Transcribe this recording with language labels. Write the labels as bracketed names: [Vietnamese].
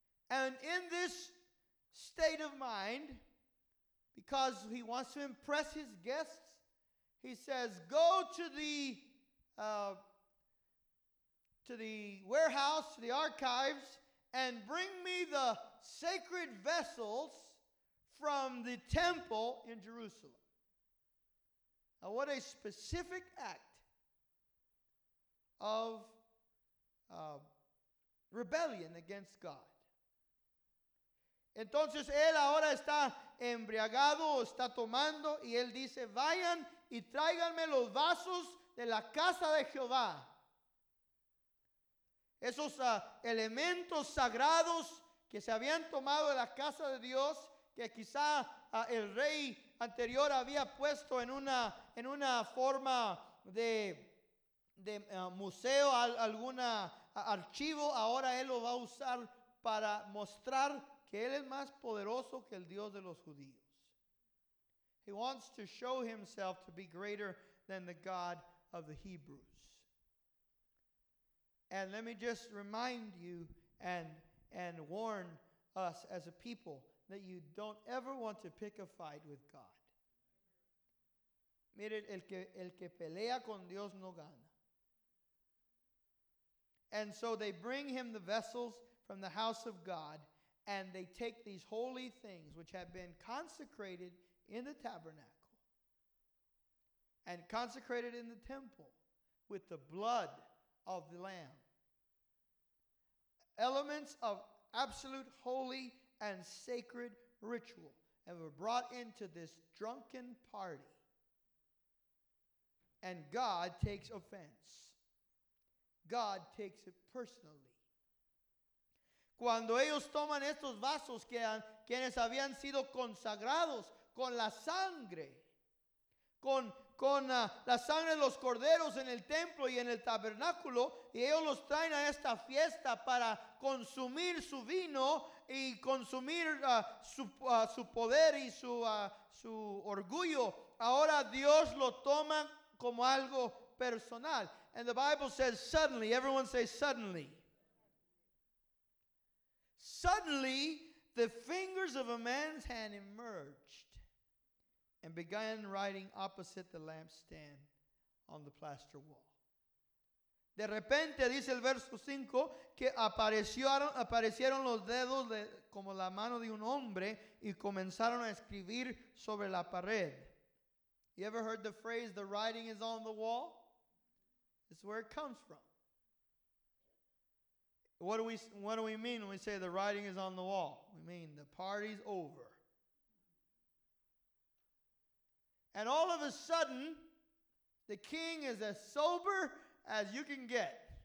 [English] And in this state of mind, because he wants to impress his guests, he says, go to the warehouse, to the archives, and bring me the sacred vessels from the temple in Jerusalem. Now, what a specific act of rebellion against God. [Spanish] Entonces él ahora está embriagado, está tomando, y él dice, vayan y tráiganme los vasos de la casa de Jehová. Esos elementos sagrados que se habían tomado de la casa de Dios, que quizá el rey anterior había puesto en una forma de museo, algún archivo, ahora él lo va a usar para mostrar que él es más poderoso que el Dios de los judíos. [English] He wants to show himself to be greater than the God of the Hebrews. And let me just remind you and warn us as a people that you don't ever want to pick a fight with God. [Spanish] Mire, el que pelea con Dios no gana. [English] And so they bring him the vessels from the house of God. And they take these holy things which have been consecrated in the tabernacle and consecrated in the temple with the blood of the Lamb. Elements of absolute holy and sacred ritual were brought into this drunken party. And God takes offense. God takes it personally. [Spanish] Cuando ellos toman estos vasos quienes habían sido consagrados con la sangre, con la sangre de los corderos en el templo y en el tabernáculo, y ellos los traen a esta fiesta para consumir su vino y consumir su poder y su orgullo, ahora Dios lo toma como algo personal. [English] And the Bible says suddenly, everyone says suddenly. Suddenly, the fingers of a man's hand emerged and began writing opposite the lampstand on the plaster wall. [Spanish] De repente, dice el verso 5, que aparecieron los dedos como la mano de un hombre y comenzaron a escribir sobre la pared. [English] You ever heard the phrase, the writing is on the wall? It's where it comes from. What do we mean when we say the writing is on the wall? We mean the party's over. And all of a sudden, the king is as sober as you can get.